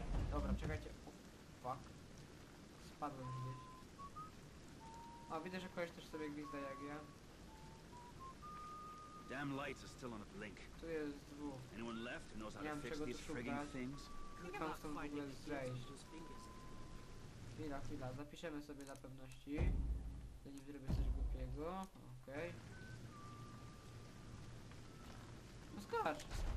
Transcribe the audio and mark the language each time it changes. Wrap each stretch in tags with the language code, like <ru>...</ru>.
<pl>Dobra, czekajcie.</pl> <en>Oh, fuck.</en> <pl>Spadłem gdzieś. O, widzę, że ktoś też sobie gwizda jak ja.</pl> <en>Damn lights are still on a blink.</en> <pl>Tu jest dwóch.</pl> <en>Anyone left who knows how to fix these frigging things?</en> <pl>Klikam stąd w ogóle zejść. Chwila, chwila. Zapiszemy sobie dla pewności. Zanim zrobię coś głupiego. Okej. zobaczyć.</pl>